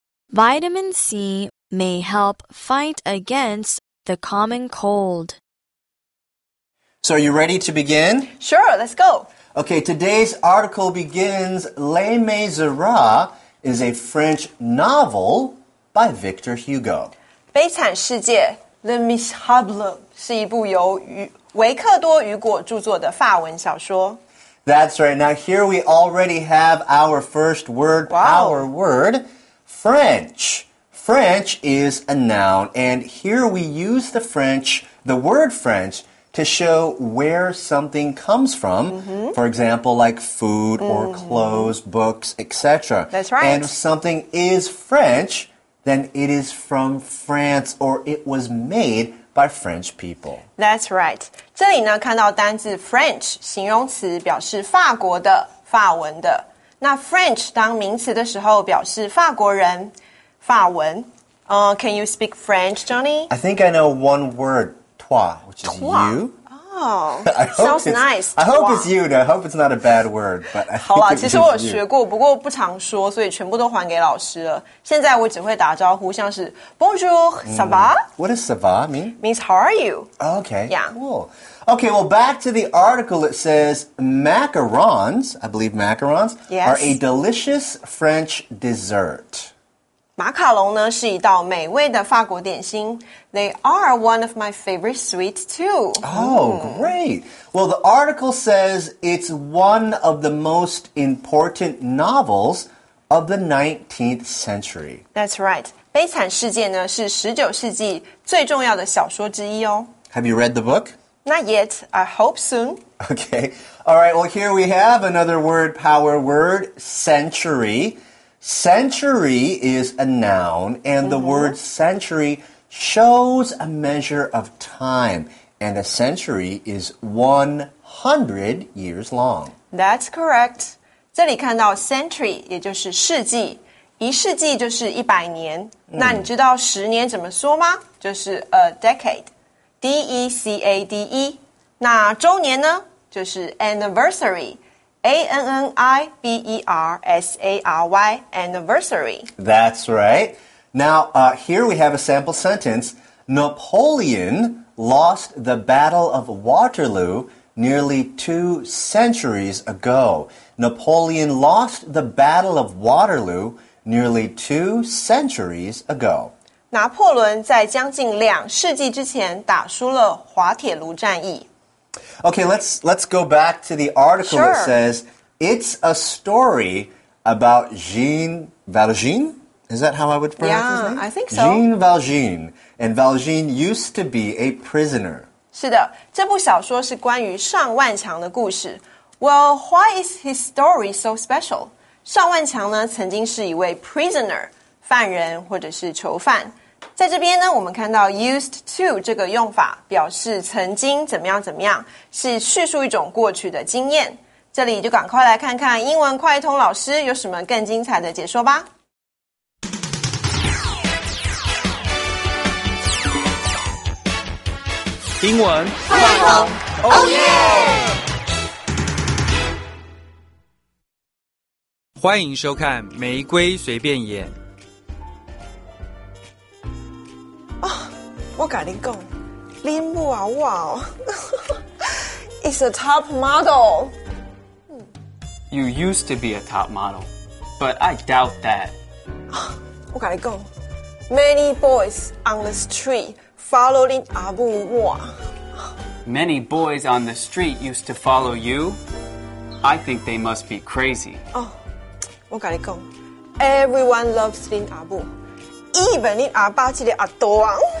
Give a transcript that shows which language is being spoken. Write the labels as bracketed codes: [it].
[en] Vitamin C may help fight against the common cold. So are you ready to begin? Sure, let's go. Okay, today's article begins, Les Misérables is a French novel by Victor Hugo. [zh] 悲惨世界 Les Misérables 是一部由维克多·雨果著作的法文小说。 [en] That's right. Now here we already have our first word, our word, French. French is a noun, and here we use the word French, to show where something comes from. Mm-hmm. For example, like food or clothes, books, etc. That's right. And if something is French,then it is from France or it was made by French people. That's right. [zh] 这里呢看到单字 French, 形容词表示法国的、法文的。那 French 当名词的时候表示法国人、法文。 [en] Can you speak French, Johnny? I think I know one word, toi, which is toi. You. Oh, sounds nice. I hope it's you, though. I hope it's not a bad word. But [zh] 好啦，其实我学过，不过不常说，所以全部都还给老师了。现在我只会打招呼，像是 [fr] Bonjour, ça va? [en] What does [fr] ça va [en] mean? Means how are you? Okay. Yeah. Cool. Okay, well, back to the article. It says macarons, I believe macarons, yes. are a delicious French dessert. [zh] 马卡龙呢是一道美味的法国点心。 [en] They are one of my favorite sweets too. Oh, great. Well, the article says it's one of the most important novels of the 19th century. That's right. [zh] 悲惨世界呢是19世纪最重要的小说之一哦。 [en] Have you read the book? Not yet. I hope soon. Okay. All right. Well, here we have another word, power word, century. Century is a noun, and the word century shows a measure of time, and a century is 100 years long. That's correct. [zh] 这里看到 century, 也就是世纪,一世纪就是100年。那你知道十年怎么说吗? 就是 a decade, D-E-C-A-D-E. 那周年呢?就是 anniversary,A-N-N-I-B-E-R-S-A-R-Y, anniversary. [en] That's right. Now, here we have a sample sentence. Napoleon lost the Battle of Waterloo nearly 2 centuries ago. Napoleon lost the Battle of Waterloo nearly 2 centuries ago. [zh] 拿破仑在将近两世纪之前打输了滑铁卢战役。 [en] Okay, let's go back to the article that says, it's a story about Jean Valjean? Is that how I would pronounce his name? Yeah, I think so. Jean Valjean. And Valjean used to be a prisoner. [zh] 是的,这部小说是关于尚万强的故事。 [en] Well, why is his story so special? [zh] 尚万强呢,曾经是一位 prisoner, 犯人或者是囚犯。在这边呢，我们看到 used to 这个用法表示曾经怎么样怎么样，是叙述一种过去的经验。这里就赶快来看看英文快通老师有什么更精彩的解说吧。英文快通 ， [en] Oh yeah！ [zh] 欢迎收看《玫瑰随便演》。我跟你说林木啊哇哦 [en] It's a top model You used to be a top model But I doubt that [zh] 我跟你说 [en] Many boys on the street Following 阿布哇 Many boys on the street Used to follow you I think they must be crazy [zh] 我跟你说 [en] Everyone loves [zh] 林阿布 Even 林阿爸这个阿多啊